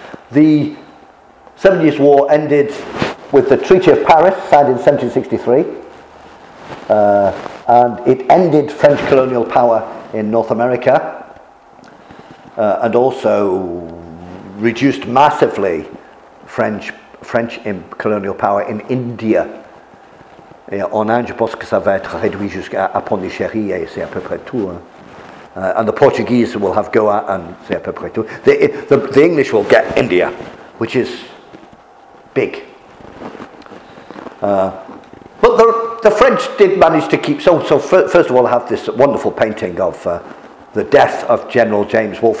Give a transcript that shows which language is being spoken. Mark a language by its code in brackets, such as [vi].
[en] The Seven Years' War ended with the Treaty of Paris, signed in 1763. And it ended French colonial power in North America. And also reduced massively French colonial power in India. [fr] Et en Inde, je pense que ça va être réduit jusqu'à Pondichéry, et c'est à peu près tout. [en] Hein. And the Portuguese will have Goa, and [fr] c'est à peu près tout. [en] The English will get India, which is big. But the French did manage to keep... So first of all, I have this wonderful painting of the death of General James Wolfe.